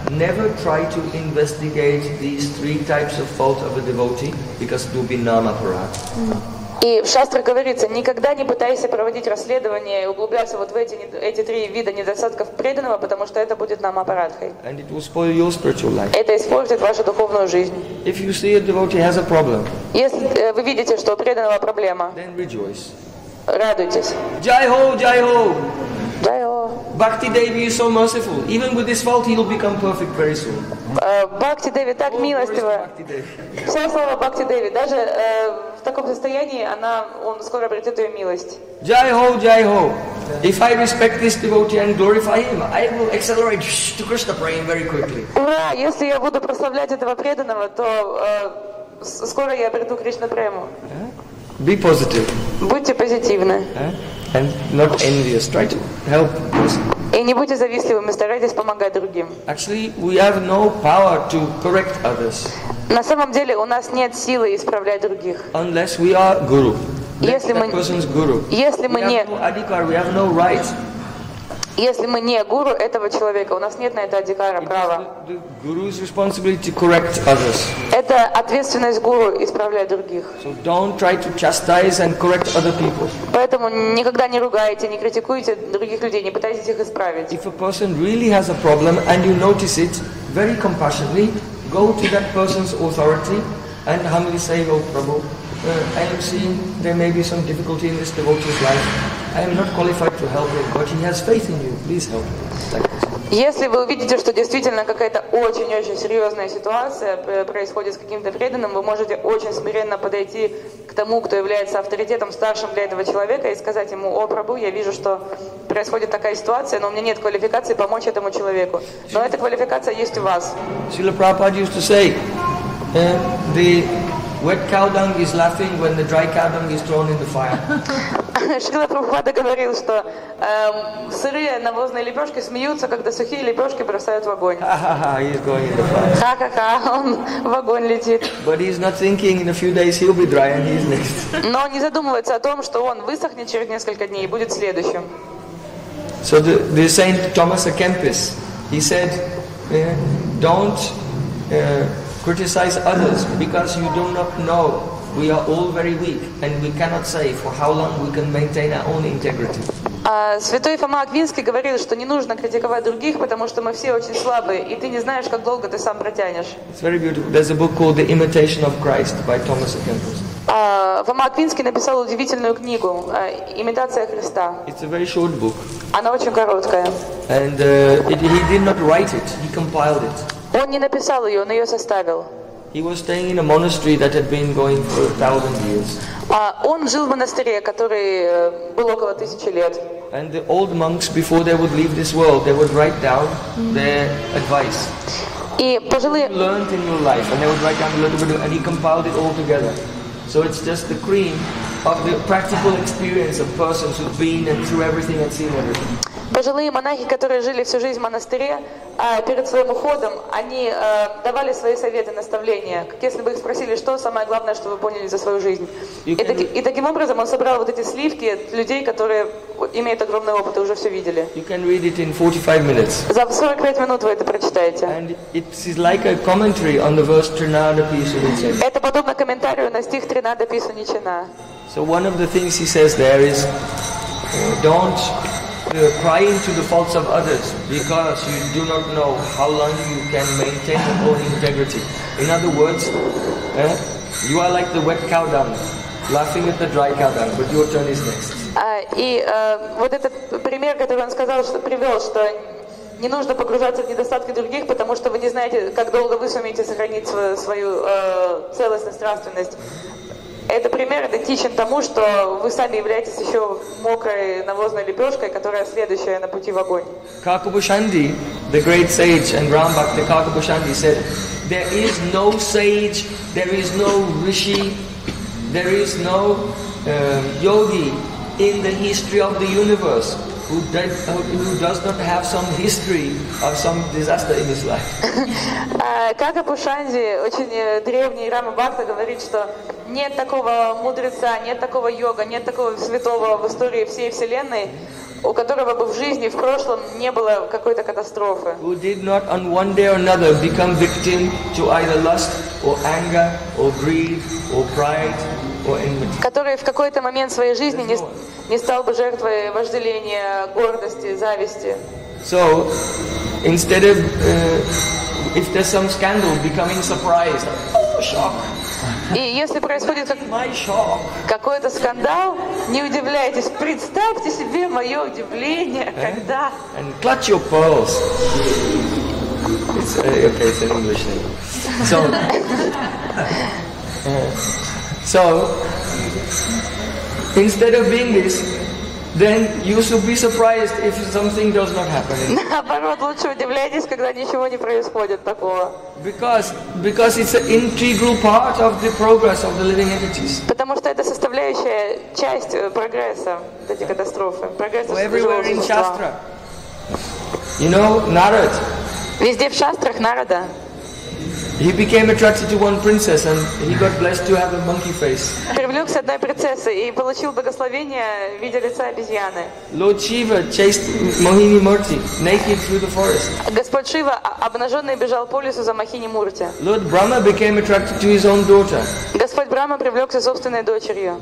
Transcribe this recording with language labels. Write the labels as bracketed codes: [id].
[en] Never try to investigate these 3 types of fault of a devotee, because it will be namaparad. [ru] И в шастрах говорится, никогда не пытайся проводить расследование и углубляться вот в эти 3 вида недостатков преданного, потому что это будет намапарадхой. [en] And it will spoil your spiritual life. [ru] Это испортит вашу духовную жизнь. [en] If you see a devotee has a problem, [ru] если вы видите, что у преданного проблема, [en] then rejoice. [ru] Радуйтесь. [hi] Jai ho, Jai ho! [en] Bhakti Devi is so merciful. Even with this fault, he will become perfect very soon. [ru] Bhakti Devi так милостива. Вся слава Бхакти Деви. Даже в таком состоянии она, он скоро обретет ее милость. [hi] Jai Ho, Jai Ho. [en] If I respect this devotee and glorify him, I will accelerate to Krishna praying very quickly. [ru] Ура! Если я буду прославлять этого преданного, то скоро я обрету Кришна прему. [en] Be positive. [ru] Будьте позитивны. [en] And not envious. Try to help. [ru] И не будьте завистливыми, старайтесь помогать другим. [en] Actually, we have no power to correct others. [ru] На самом деле, у нас нет силы исправлять других. [en] Unless we are guru. [ru] Если мы [en] не adhikar, we have no right. [ru] Если мы не гуру этого человека, у нас нет на это адикара права. [en] Guru's responsibility to correct others. [ru] Это ответственность гуру исправлять других. [en] So don't try to chastise and correct other people. [ru] Поэтому никогда не ругайте, не критикуйте других людей, не пытайтесь их исправить. [en] If a person really has a problem and you notice it, very compassionately, go to that person's authority and humbly say, "Oh Prabhu, I am seeing there may be some difficulty in this devotee's life. I am not qualified to help him, but he has faith in you. Please help him." [ru] Если вы увидите, что действительно какая-то очень-очень серьезная ситуация происходит с каким-то преданным, вы можете очень смиренно подойти к тому, кто является авторитетом, старшим для этого человека, и сказать ему: «О, Прабу, я вижу, что происходит такая ситуация, но у меня нет квалификации помочь этому человеку». Но эта квалификация есть у вас. [en] Srila Prabhupada used to say, the wet cow dung is laughing when the dry cow dung is thrown in the fire. [ru] Шрила Прабхупада говорил, что сырые навозные лепешки смеются, когда сухие лепешки бросают в огонь. Ха-ха-ха, он в огонь летит. [en] But he's not thinking in a few days he'll be dry and he's next. [ru] Но не задумывается о том, что он высохнет через несколько дней и будет следующим. [en] So the Saint Thomas Aquinas, he said, don't criticize others because you do not know. We are all very weak, and we cannot say for how long we can maintain our own integrity. [ru] Святой Фома Аквинский говорил, что не нужно критиковать других, потому что мы все очень слабые, и ты не знаешь, как долго ты сам протянешь. [en] It's very beautiful. There's a book called The Imitation of Christ by Thomas Aquinas. [ru] Фома Аквинский написал удивительную книгу «Имитация Христа». [en] It's a very short book. [ru] Она очень короткая. [en] And he did not write it; he compiled it. [ru] Он не написал ее, он ее составил. [en] He was staying in a monastery that had been going for 1,000 years. [ru] Он жил в монастыре, который был около 1,000 лет. [en] And the old monks, before they would leave this world, they would write down their advice. [ru] И пожилые. [en] What you learned in your life, and they would write down a little bit, and he compiled it all together. So it's just the cream of the practical experience of persons who've been and through everything and seen everything. [ru] Пожилые монахи, которые жили всю жизнь в монастыре, перед своим уходом, они давали свои советы, наставления, как если бы их спросили, что самое главное, что вы поняли за свою жизнь. И таким образом он собрал вот эти сливки людей, которые имеют огромный опыт и уже все видели. [en] You can read it in 45 minutes. [ru] За 45 минут вы это прочитаете. [en] And it's like a commentary on the verse Trinada Pisunichana. [ru] Это подобно комментарию на стих Тринада Пишуничана. [en] So one of the things he says there is, don't cry into the faults of others because you do not know how long you can maintain your own integrity. In other words, you are like the wet cow dung, laughing at the dry cow dung, but your turn is next. [ru] Вот этот пример, который он сказал, что привел, что не нужно погружаться в недостатки других, потому что вы не знаете, как долго вы сумеете сохранить свою целостность, нравственность. Это пример идентичен тому, что вы сами являетесь еще мокрой навозной лепешкой, которая следующая на пути в огонь. [en] Какубушанди, the great sage and Ram Bhakti Какубушанди said, there is no sage, there is no rishi, there is no yogi in the history of the universe who does not have some history of some disaster in his life. [ru] Какубушанди, очень древний Рам Бхакта, говорит, что нет такого мудреца, нет такого йога, нет такого святого в истории всей Вселенной, у которого бы в жизни, в прошлом не было какой-то катастрофы. [en] Who did not on one day or another become victim to either lust or anger or greed or pride or enmity. [ru] Который в какой-то момент своей жизни не стал бы жертвой вожделения, гордости, зависти. [en] So, instead of, if there's some scandal, becoming surprised, oh, shock. [ru] И если происходит какой-то скандал, не удивляйтесь. Представьте себе мое удивление, когда... [en] And clutch your pearls. It's an English name. So, instead of being this, then you should be surprised if something does not happen. [ru] Наоборот, лучше удивляйтесь, когда ничего не происходит такого. [en] Because it's an integral part of the progress of the living entities. [ru] Потому что это составляющая часть прогресса, эти катастрофы, прогресса. [en] Everywhere in Shastra. You know, Narad. [ru] Везде в шастрах Нарада. [en] He became attracted to one princess and he got blessed to have a monkey face. [ru] Привлёкся одной принцессы и получил благословение в виде лица обезьяны. [en] Lord Shiva chased Mohini Murti naked through the forest. [ru] Господь Шива обнажённый бежал по лесу за Махини Мурти. [en] Lord Brahma became attracted to his own daughter. [ru] Господь Брама привлёкся собственной дочерью.